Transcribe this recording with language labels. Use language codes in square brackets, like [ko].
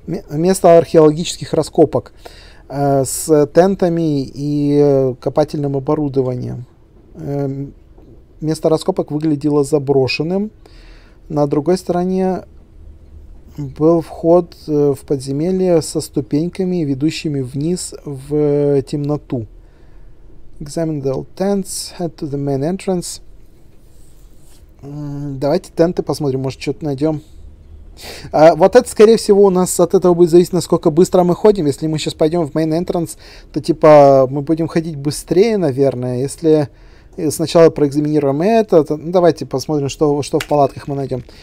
[ru] место археологических раскопок с тентами и копательным оборудованием. Место раскопок выглядело заброшенным. На другой стороне был вход в подземелье со ступеньками, ведущими вниз в темноту. [en] Examine the old tents, head to the main entrance. [ru] Давайте тенты посмотрим, может, что-то найдем. Вот это, скорее всего, у нас от этого будет зависеть, насколько быстро мы ходим. Если мы сейчас пойдем в [en] main entrance, [ru] то, типа, мы будем ходить быстрее, наверное. Если... И сначала проэкзаминируем это. Ну, давайте посмотрим, что в палатках мы найдем.